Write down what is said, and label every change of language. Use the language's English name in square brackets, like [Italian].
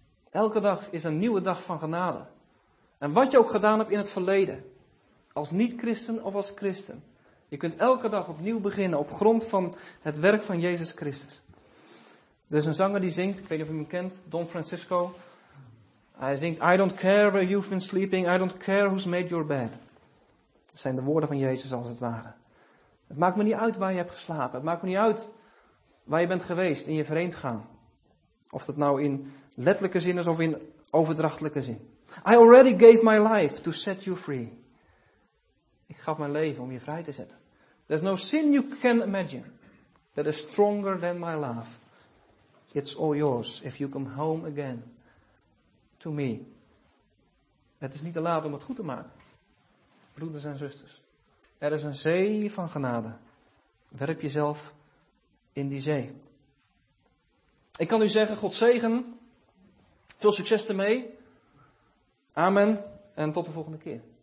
[Dutch] Elke dag is een nieuwe dag van genade. En wat je ook gedaan hebt in het verleden. Als niet-christen of als christen. Je kunt elke dag opnieuw beginnen op grond van het werk van Jezus Christus. Er is een zanger die zingt, ik weet niet of u hem kent, Don Francisco. Hij zingt, [English] I don't care where you've been sleeping, I don't care who's made your bed. [Dutch] Dat zijn de woorden van Jezus als het ware. Het maakt me niet uit waar je hebt geslapen. Het maakt me niet uit waar je bent geweest in je vreemdgaan. Of dat nou in letterlijke zin is of in overdrachtelijke zin. [English] I already gave my life to set you free. [Dutch] Ik gaf mijn leven om je vrij te zetten. [English] There's no sin you can imagine that is stronger than my love. It's all yours if you come home again to me. [Dutch] Het is niet te laat om het goed te maken. Broeders en zusters, er is een zee van genade. Werp jezelf in die zee. Ik kan u zeggen, God zegen. Veel succes ermee. Amen. En tot de volgende keer.